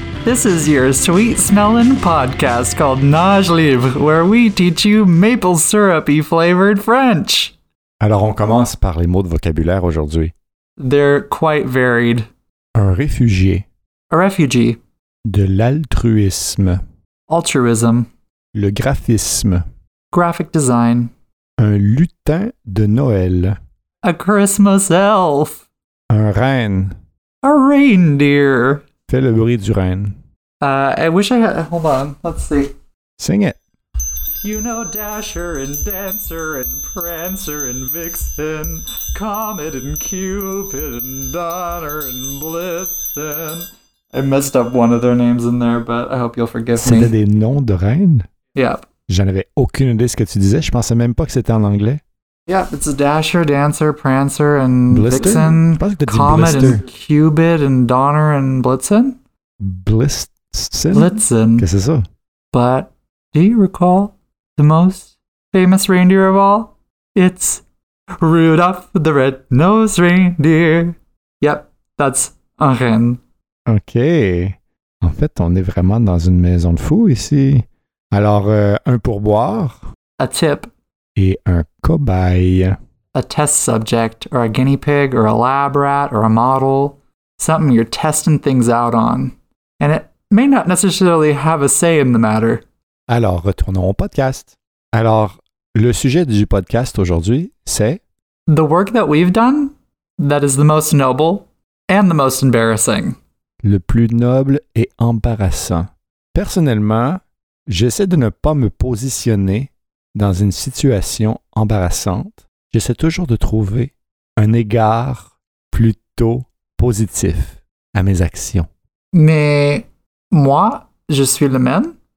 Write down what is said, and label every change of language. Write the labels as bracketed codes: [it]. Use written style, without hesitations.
[en] This is your sweet-smelling podcast called Nage Livre, where we teach you maple syrupy-flavored French. [fr] Alors, on commence par les mots de vocabulaire aujourd'hui. [en] They're quite varied. [fr] Un réfugié. [en] A refugee. [fr] De l'altruisme. [en] Altruism. [fr] Le graphisme. [en] Graphic design. [fr] Un lutin de Noël. [en] A Christmas elf. [fr] Un renne. [en] A reindeer. [fr] Fais le bruit du renne. [en] Hold on. Let's see. Sing it. You know Dasher and Dancer and Prancer and Vixen, Comet and Cupid and Donner and Blitzen. I messed up one of their names in there, but I hope you'll forgive [fr] me. C'était des noms de reines? [en] Yep. [fr] J'en avais aucune idée de ce que tu disais. Je pensais même pas que c'était en anglais. [en] Yep, it's a Dasher, Dancer, Prancer and Blister? Vixen. [fr] Je pense que t'as dit [en] Comet Blister. And Cupid and Donner and Blitzen? Blitzen? Blitzen. [fr] Qu'est-ce que c'est ça? [en] But do you recall the most famous reindeer of all? It's Rudolph the Red-Nosed Reindeer. Yep, that's un renne. OK. [fr] En fait, on est vraiment dans une maison de fous ici. Alors, un pourboire. [en] A tip. [fr] Et un cobaye. [en] A test subject, or a guinea pig, or a lab rat, or a model. Something you're testing things out on. And it may not necessarily have a say in the matter. [fr] Alors, retournons au podcast. Alors, le sujet du podcast aujourd'hui, c'est... [en] The work that we've done, that is the most noble and the most embarrassing. [fr] Le plus noble et embarrassant. Personnellement, j'essaie de ne pas me positionner dans une situation embarrassante. J'essaie toujours de trouver un égard plutôt positif à mes actions. Mais moi, je suis le même.